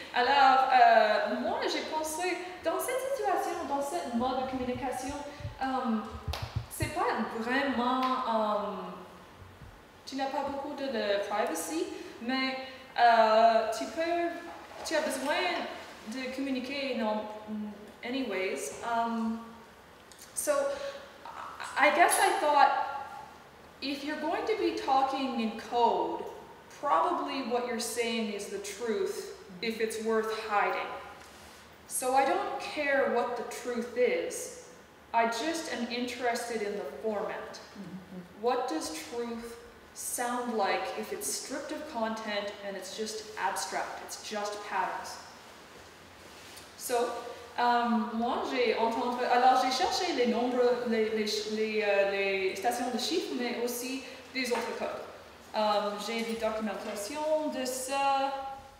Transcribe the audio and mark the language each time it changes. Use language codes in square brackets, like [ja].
[fr] Alors, moi, j'ai pensé, dans cette situation, dans ce mode de communication, c'est pas vraiment, tu n'as pas beaucoup de privacy, mais tu as besoin de communiquer non, anyways. [en] So, I guess I thought, if you're going to be talking in code, probably what you're saying is the truth, if it's worth hiding. So I don't care what the truth is. I just am interested in the format. Mm-hmm. What does truth sound like if it's stripped of content and it's just abstract, it's just patterns? [fr] So, moi j'ai entendu, alors j'ai cherché les nombres, les stations de chiffres, mais aussi des autres codes. J'ai des documentations de ça.